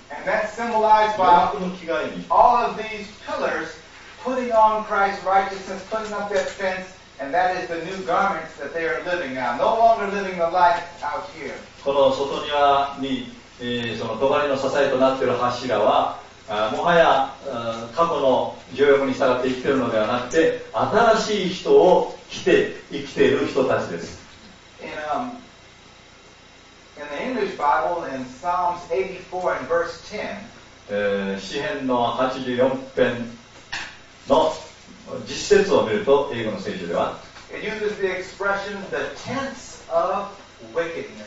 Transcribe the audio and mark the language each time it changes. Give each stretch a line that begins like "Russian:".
English: And that's symbolized by all of these pillars. Putting on Christ's righteousness, putting up that fence, and that is the new garments that they are living now. No longer living the life out here.
Japanese: この外庭に、その帳の支えとなっている柱は、もはや過去の情欲に従って生きているのではなくて、新しい人を着て生きている人たちです。
English: In the English Bible, in Psalms 84 and verse 10,
Japanese: 詩編の84編の実節を見ると、英語の聖書では、
English: It uses the expression the tents of wickedness.